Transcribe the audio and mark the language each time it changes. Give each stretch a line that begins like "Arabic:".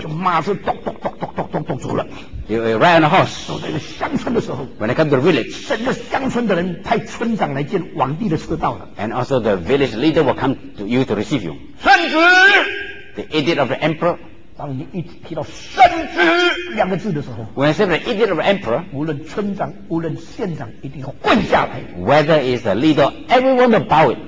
Chinese: 就马是咚咚咚咚咚咚咚走了
English: you ride on a horse.
Chinese: 走到一个乡村的时候
English: when they come to the village,
Chinese: 整个乡村的人派村长来见皇帝的车到了
English: and also the village leader will come to you to receive you.
Chinese: 圣旨
English: the edict of the emperor.
Chinese: 当你一直提到圣旨两个字的时候
English: When I say the edict of the emperor
Chinese: 无论村长无论县长一定要跪下来
English: Whether it's the leader everyone will bow it